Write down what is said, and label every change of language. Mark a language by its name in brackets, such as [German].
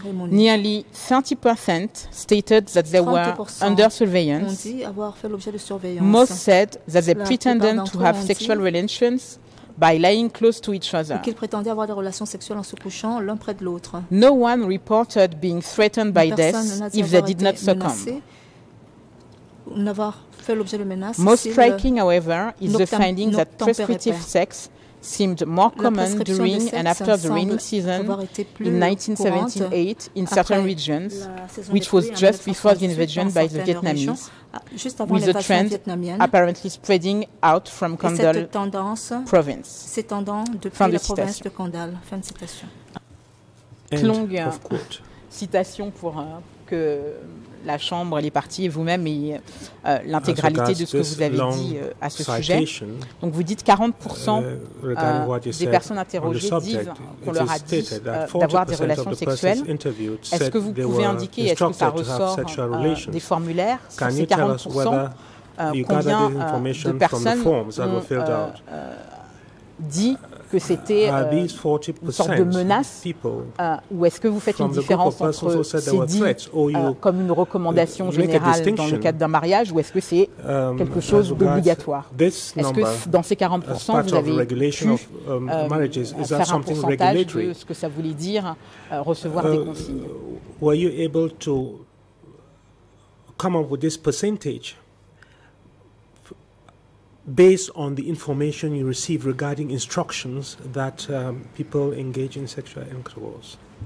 [English] Nearly 30% stated that they were under surveillance. Most said that they pretended to have sexual relations by lying close to each other. [French] Qu'ils prétendaient avoir des relations sexuelles en se couchant l'un près de l'autre. [English] No one reported being threatened by death if they did not succumb. [French] N'avoir fait l'objet de menace. [English] Most striking, however, is the finding that prescriptive sex seemed more common during and after the rainy season in 1978 in certain regions, which was just before the invasion by the Vietnamese, with the trend apparently spreading out from Kandal province. [French] S'étendant depuis la province de Kandal. Fin de citation. Longue citation pour que la Chambre, les parties et vous-même et l'intégralité de ce que vous avez dit à ce sujet. Donc vous dites 40% des personnes interrogées disent qu'on leur a dit d'avoir des relations sexuelles. Est-ce que vous pouvez indiquer, est-ce que ça ressort des formulaires sur ces 40%, combien de personnes ont dit que c'était une sorte de menace, ou est-ce que vous faites une différence entre ces dits comme une recommandation générale dans le cadre d'un mariage, ou est-ce que c'est quelque chose d'obligatoire? Est-ce que dans ces 40%, vous avez pu faire un pourcentage de ce que ça voulait dire recevoir des consignes? [English] Were you able to come up with this percentage based on the information you receive regarding instructions that people engage in sexual intercourse?